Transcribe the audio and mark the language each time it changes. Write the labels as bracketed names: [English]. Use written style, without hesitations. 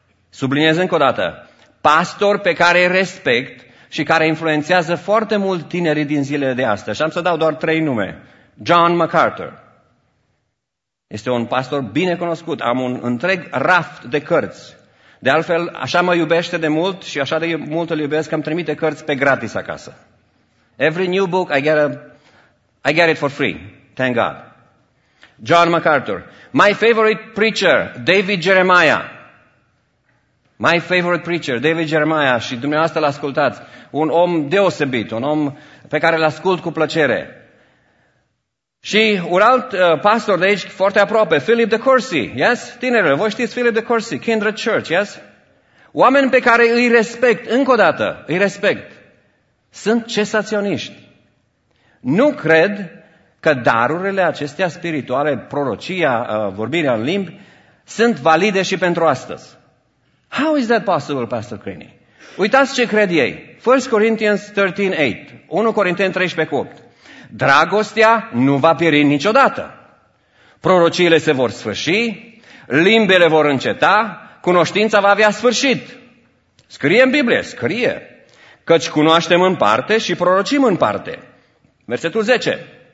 [Romanian] Subliniez încă o dată, pastor pe care îi respect și care influențează foarte mult tinerii din zilele de astăzi. Și am să dau doar trei nume. John MacArthur. Este un pastor bine cunoscut. Am un întreg raft de cărți. De altfel, așa mă iubește de mult și așa de mult îl iubesc că îmi trimite cărți pe gratis acasă. [English] Every new book I get it for free. Thank God. John MacArthur. My favorite preacher, David Jeremiah. My favorite preacher, David Jeremiah, [Romanian] și dumneavoastră l-ascultați, un om deosebit, un om pe care l-ascult cu plăcere. Și un alt pastor de aici, foarte aproape, Philip de Courcy, yes? Tinerele, voi știți Philip de Courcy, Kindred Church, yes? Oameni pe care îi respect, încă o dată, îi respect, sunt cesaționiști. Nu cred că darurile acestea spirituale, prorocia, vorbirea în limbi, sunt valide și pentru astăzi. [English] How is that possible, Pastor Crini? [Romanian] Uitați ce cred ei. [English] 1 Corinthians 13:8. [Romanian] 1 Corinteni 13:8. Dragostea nu va pieri niciodată. Prorociile se vor sfârși, limbele vor înceta, cunoștința va avea sfârșit. Scrie în Biblie, scrie. Căci cunoaștem în parte și prorocim în parte. Versetul 10.